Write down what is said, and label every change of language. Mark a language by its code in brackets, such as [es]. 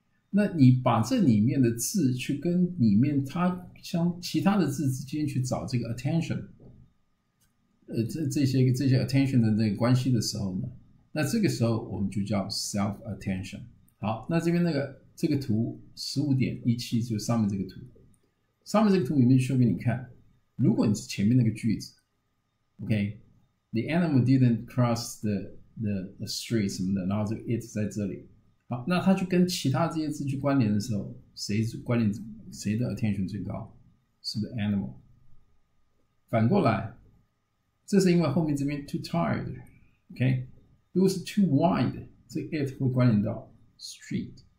[zh] 那你把这里面的字去跟里面它像其他的字之间去找这个 attention， 这些 attention 的这个关系的时候呢，那这个时候我们就叫 self attention。好，那这边这个图 15.17 就上面这个图，上面这个图里面说给你看，如果你是前面那个句子。 [en] Okay, the animal didn't cross the street [zh] 什么的，然后这个 it 在这里。好，那它就跟其他这些字去关联的时候，谁的 attention 最高？是 the animal。反过来，这是因为后面这边 too tired。 Okay, 如果是 too wide， 这个 it 会关联到 street。